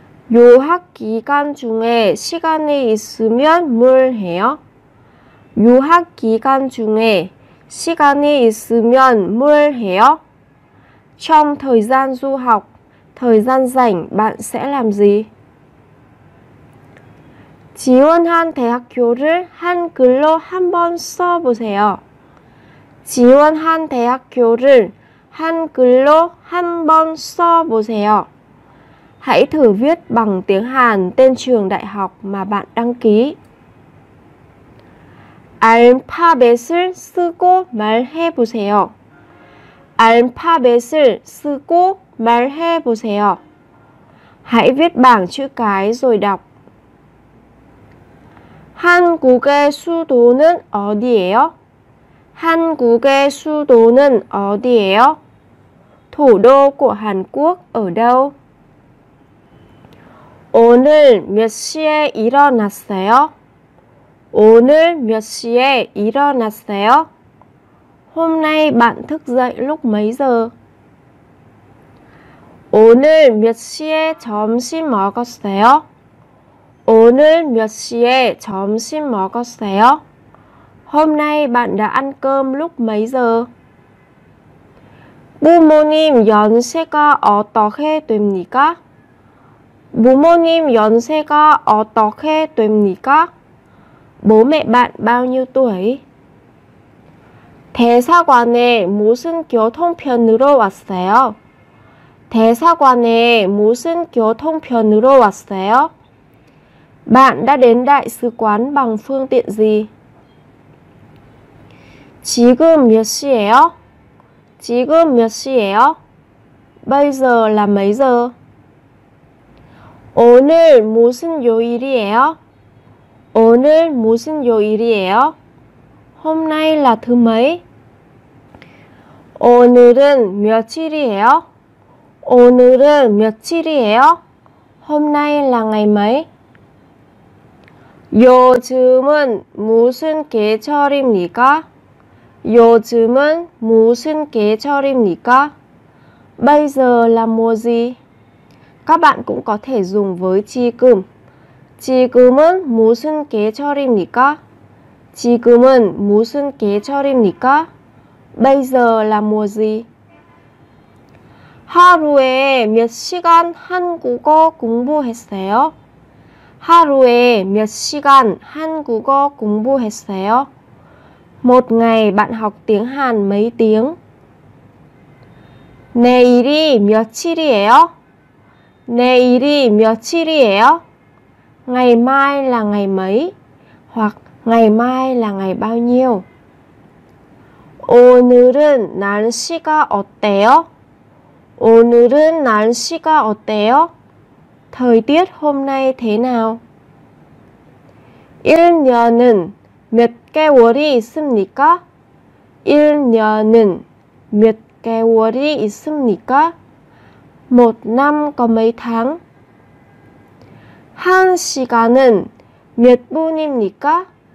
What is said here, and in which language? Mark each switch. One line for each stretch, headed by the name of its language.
Korean: 유학 기간 중에 시간이 있으면 뭘 해요? 유학 기간 중에 시간이 있으면 뭘 해요?
Vietnamese: Trong thời gian du học, thời gian rảnh bạn sẽ làm gì?
Korean: 지원한 대학교를 한글로 한번 써보세요. 지원한 대학교를 한글로 한번 써보세요.
Vietnamese: Hãy thử viết bằng tiếng Hàn tên trường đại học mà bạn đăng ký.
Korean: 알파벳을 쓰고 말해보세요. 알파벳을 쓰고 말해보세요.
Vietnamese: Hãy viết bảng chữ cái rồi đọc.
Korean: 한국의 수도는 어디예요? 한국의 수도는 어디예요?
Vietnamese: Thủ đô của Hàn Quốc ở đâu?
Korean: 오늘 몇 시에 일어났어요? 오늘 몇 시에 일어났어요?
Vietnamese: Hôm nay bạn thức dậy lúc mấy giờ?
Korean: 오늘 몇 시에 점심 먹었어요? 오늘 몇 시에 점심 먹었어요?
Vietnamese: Hôm nay bạn đã ăn cơm lúc mấy giờ?
Korean: 부모님 연세가 어떻게 됩니까? 부모님 연세가 어떻게 됩니까?
Vietnamese: Bố mẹ bạn bao nhiêu tuổi?
Korean: 대사관에 무슨 교통편으로 왔어요? 대사관에 무슨 교통편으로 왔어요?
Vietnamese: Bạn đã đến đại sứ quán bằng phương tiện gì?
Korean: 지금 몇 시예요? 지금 몇 시예요?
Vietnamese: Bây giờ là mấy giờ?
Korean: 오늘 무슨 요일이에요? 오늘 무슨 요일이에요?
Vietnamese: Hôm nay là thứ mấy?
Korean: 오늘은 며칠이에요? 오늘은 며칠이에요?
Vietnamese: Hôm nay là ngày mấy?
Korean: 요즘은 무슨 계절입니까? 요즘은 무슨 계절입니까?
Vietnamese: Bây giờ là mùa gì? Các bạn cũng có thể dùng với 지금.
Korean: 지금은 무슨 계절입니까? 지금은 무슨 계절입니까?
Vietnamese: Bây giờ là mùa gì?
Korean: 하루에 몇 시간 한국어 공부했어요? 하루에 몇 시간 한국어 공부했어요?
Vietnamese: Một ngày bạn học tiếng Hàn mấy tiếng?
Korean: 내일이 며칠이에요? 내일이 며칠이에요?
Vietnamese: Ngày mai là ngày mấy? Hoặc ngày mai là ngày bao nhiêu?
Korean: 오늘은 날씨가 어때요? 오늘은 날씨가 어때요?
Vietnamese: Thời tiết hôm nay thế nào?
Korean: 1년은 몇 개월이 있습니까? 1년은 몇 개월이 있습니까?
Vietnamese: Một năm có mấy tháng?
Korean: 한 시간은 몇 분입니까?